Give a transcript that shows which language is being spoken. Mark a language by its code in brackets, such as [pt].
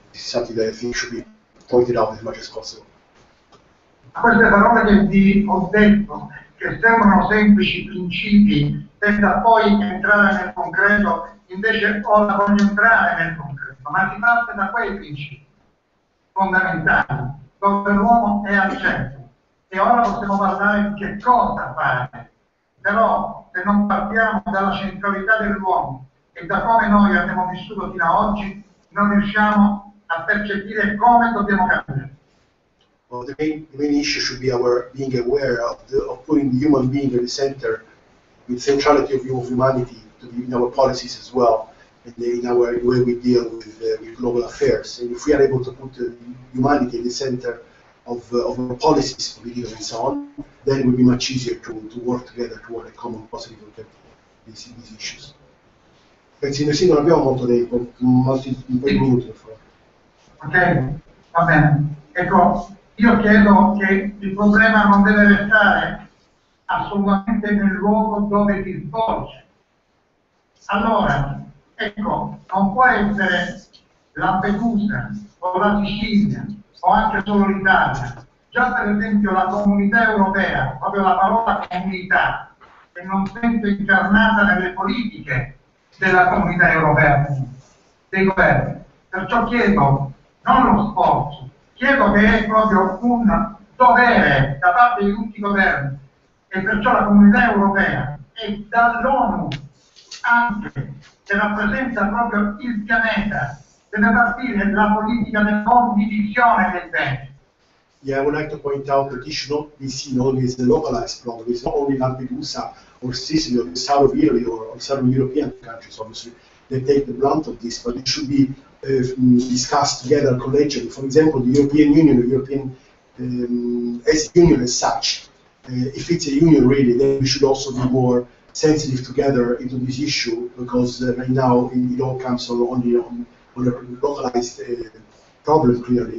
[en] This is something that I think should be pointed out as much as possible. [it] Che sembrano semplici principi, senza poi entrare nel concreto, invece ora voglio entrare nel concreto, ma si parte da quei principi fondamentali, dove l'uomo è al centro. E ora possiamo parlare di che cosa fare, però se non partiamo dalla centralità dell'uomo e da come noi abbiamo vissuto fino ad oggi, non riusciamo a percepire come dobbiamo cambiare. [en] Well, the main issue should be our being aware of putting the human being at the center, with centrality of humanity, to be in our policies as well, and in our way we deal with global affairs. And if we are able to put humanity at the center of our policies, beliefs, and so on, then it will be much easier to work together toward a common positive objective in these issues. [it] Grazie, Messina, non abbiamo molto tempo, molti minuti. Ok, va bene. Ecco, io chiedo che il problema non deve restare assolutamente nel luogo dove si svolge. Allora, ecco, non può essere Lampedusa o la Sicilia o anche solo l'Italia. Già per esempio la comunità europea, proprio la parola comunità, che non sento incarnata nelle politiche della comunità europea, dei governi. Perciò chiedo, non lo sforzo, chiedo che è proprio un dovere da parte di tutti i governi e perciò la comunità europea e dall'ONU anche, che rappresenta proprio il pianeta, deve partire la politica della condivisione del bene. [en] Yeah, I would like to point out that this should not be seen only as a localized problem. It's not only Lampedusa or Sicily or the south of Italy or southern European countries, obviously, that take the brunt of this, but it should be discussed together collectively. For example, the European Union, the European as union as such, if it's a union really, then we should also be more sensitive together into this issue, because right now it all comes only on a localized problem, clearly.